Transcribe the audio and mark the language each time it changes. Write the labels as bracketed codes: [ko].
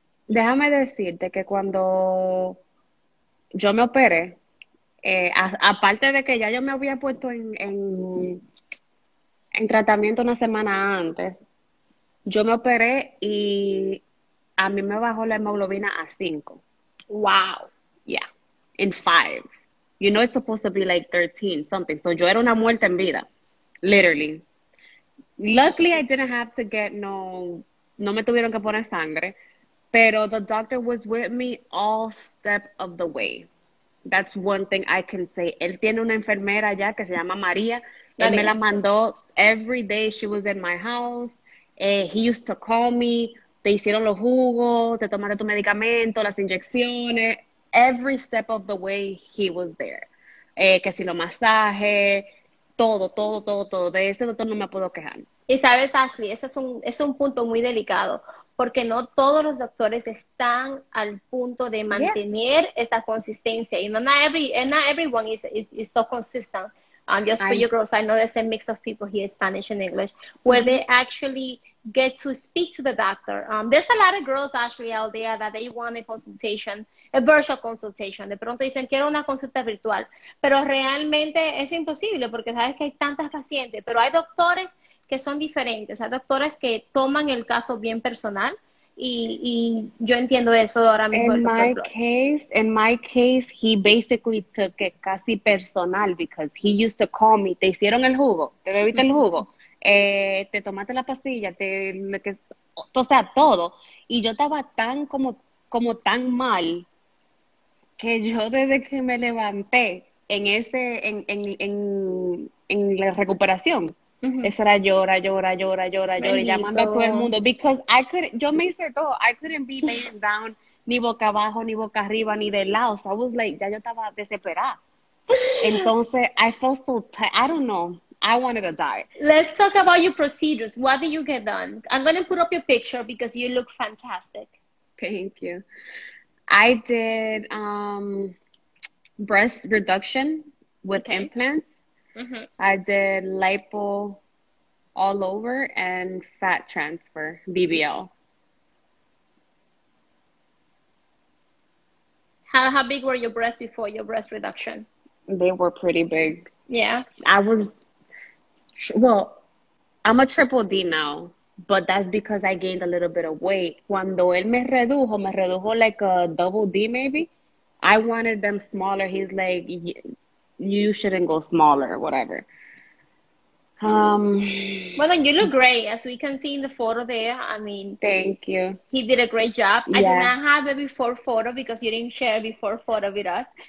[es] déjame decirte que cuando yo me operé, aparte de que ya yo me había puesto en tratamiento una semana antes, yo me operé y a mí me bajó la hemoglobina a 5. [en] Wow. [es] Yeah, en 5. [en] You know it's supposed to be like 13 something. So [es] yo era una muerta en vida, [en] literally. Luckily, I didn't have to get no [es] me tuvieron que poner sangre, pero [en] the doctor was with me all step of the way. That's one thing I can say. [es] Él tiene una enfermera allá que se llama María. Él me la [en] mandó every day. She was in my house. He used to call me [es] te hicieron los jugos, te tomaste tu medicamento, las inyecciones, [en] every step of the way he was there. [es] Que si lo masaje, todo, todo, todo, todo. De ese doctor no me puedo quejar. Y sabes, Ashley, ese es un punto muy delicado, porque no todos los doctores están al punto de mantener esa consistencia. [en] You know, not everyone is so consistent. Just for you girls, I know there's a mix of people here, Spanish and English, where they actually get to speak to the doctor. There's a lot of girls actually out there that they want a consultation, a virtual consultation. [es] De pronto dicen, quiero una consulta virtual, pero realmente es imposible porque sabes que hay tantas pacientes, pero hay doctores que son diferentes, hay doctores que toman el caso bien personal y yo entiendo eso ahora mismo del doctor Flores. [en] In my case, he basically took it casi personal because he used to call me. [es] Te hicieron el jugo, te bebiste el jugo, te tomaste la pastilla, o sea, todo. Y yo estaba tan como tan mal que yo desde que me levanté en la recuperación, esa era llora, llora, llora, llora, llora, llamando a todo el Bendito. [en] mundo. Because [es] yo me hice todo. [en] I couldn't be laying down. [es] Ni boca abajo, ni boca arriba, ni de lado. [en] So I was like, [es] ya yo estaba desesperada. [en] Entonces, I felt so tired. I don't know. I wanted to die. Let's talk about your procedures. What did you get done? I'm going to put up your picture because you look fantastic. Thank you. I did breast reduction with implants. I did lipo all over and fat transfer, BBL. How big were your breasts before your breast reduction? They were pretty big. I'm a triple D now, but that's because I gained a little bit of weight. [es] Cuando él me redujo [en] like a double D maybe. I wanted them smaller. He's like, you shouldn't go smaller or whatever. Well, then you look great, as we can see in the photo there. I mean, Thank you. he did a great job. I did Yeah. not have a before photo because you didn't share a before photo with us.